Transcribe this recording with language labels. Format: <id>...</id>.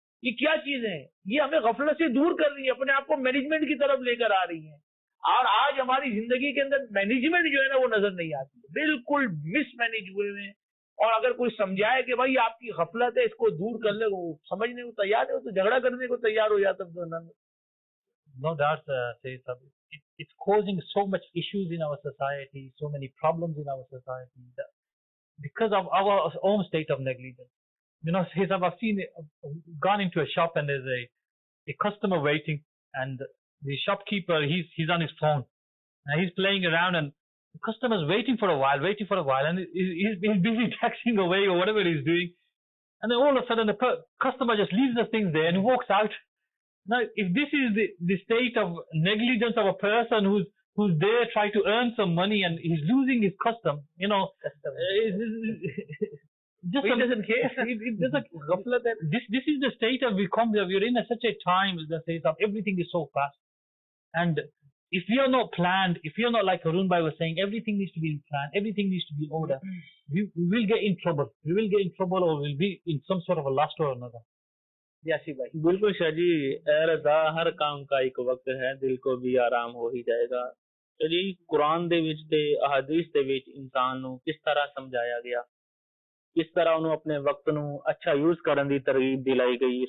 <ur>یہ کیا چیز ہے, یہ ہمیں غفلت سے دور کر رہی ہے, اپنے آپ کو مینجمنٹ کی طرف لے کر آ رہی ہیں. اور آج ہماری زندگی کے اندر مینجمنٹ جو ہے نا وہ نظر نہیں آتی, بالکل مس مینج ہوئے ہیں. اور اگر کوئی سمجھائے کہ بھائی آپ کی غفلت ہے اس کو دور کر لے, وہ سمجھنے کو تیار ہے, وہ تو جھگڑا کرنے کو تیار ہو جاتا.</ur> <en>It's causing so much issues in our society, so many problems in our society that because of our own state of negligence. You know, say, I've seen gone into a shop and there's a customer waiting, and the shopkeeper, he's on his phone and he's playing around, and the customer's waiting for a while and he's busy texting away or whatever he's doing, and then all of a sudden the customer just leaves the things there and walks out. Now, if this is the state of negligence of a person who's there trying to earn some money and he's losing his custom, you know, this is the state of we're in a, such a time that says that everything is so fast. And if you're not planned, if you're not like Harun Bhai was saying, everything needs to be in plan, everything needs to be in order, we will get in trouble. We will get in trouble or we'll be in some sort of a lust or another.</en> <ur>بالکل شاہ جی, اے رضا ہر کام کا ایک وقت ہے, دل کو بھی آرام ہو ہی جائے گا.</ur> <pa>چلی قرآن دے وچ تے احادیث دے وچ انسان نو کس طرح سمجھایا گیا, کس طرح انو اپنے وقت نو اچھا یوز کرن دی ترغیب دلائی گئی.</pa>